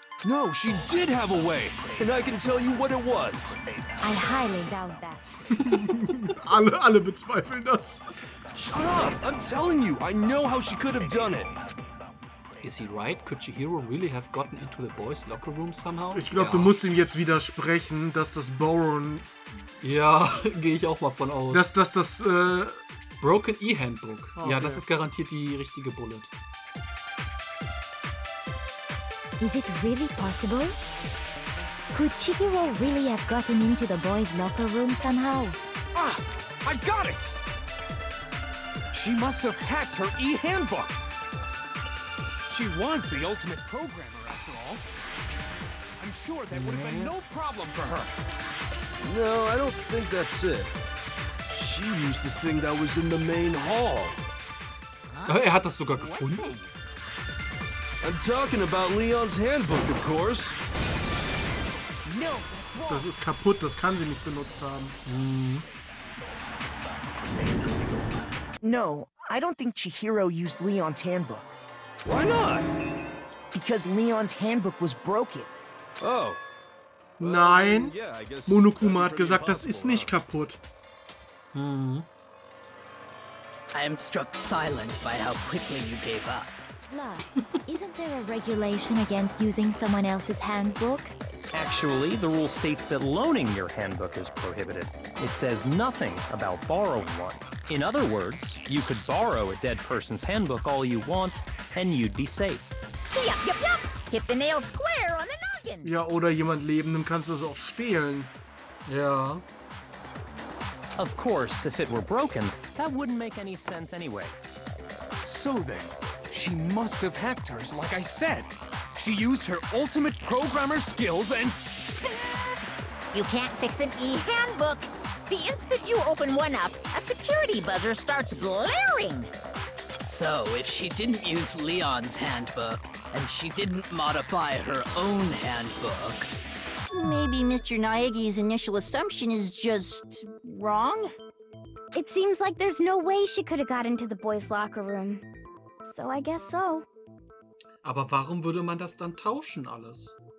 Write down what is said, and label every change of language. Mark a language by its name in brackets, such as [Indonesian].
[English] No, she did have a way, and I can tell you what it was. I highly doubt that. [German] alle bezweifeln das. [English] Shut up! I'm telling you, I know how she could have done it. Is he right? Could Chihiro really have gotten into the boys' locker room somehow? [German] Ich glaube, du musst ihm jetzt widersprechen, dass das Boron... Ja, gehe ich auch mal von aus. [English] Broken [German] E-Handbook. Okay. Ja, das ist garantiert die richtige Bullet. [English] Is it really possible? Could Chihiro really have gotten into the boys' locker room somehow? I got it! She must have hacked her e-handbook! She was the ultimate programmer, after all. I'm sure that would have been no problem for her. No, I don't think that's it. She used the thing that was in the main hall. [German] Hat das sogar gefunden. [English] I'm talking about Leon's handbook, of course. [German] No, das ist kaputt, das kann sie nicht benutzt haben. [English] No, I don't think Chihiro used Leon's handbook. Why not? Because Leon's handbook was broken. Oh. [German] Nein. Monokuma hat gesagt, das ist nicht kaputt. [English] I am struck silent by how quickly you gave up. Plus, isn't there a regulation against using someone else's handbook? Actually, the rule states that loaning your handbook is prohibited. It says nothing about borrowing one. In other words, you could borrow a dead person's handbook all you want, and you'd be safe. Yup, yup, yup! Hit the nail square on the noggin! [German] Ja, oder jemand Lebendem kannst du es auch stehlen. [English] Yeah. Of course, if it were broken, that wouldn't make any sense anyway. So then, she must have hacked hers, like I said. She used her ultimate programmer skills and... Psst! You can't fix an e-handbook! The instant you open one up, a security buzzer starts blaring! So, if she didn't use Leon's handbook, and she didn't modify her own handbook... Maybe Mr. Naegi's initial assumption is just... wrong? It seems like there's no way she could have got into the boys' locker room. So I guess so. [German] Aber warum würde man das dann tauschen alles?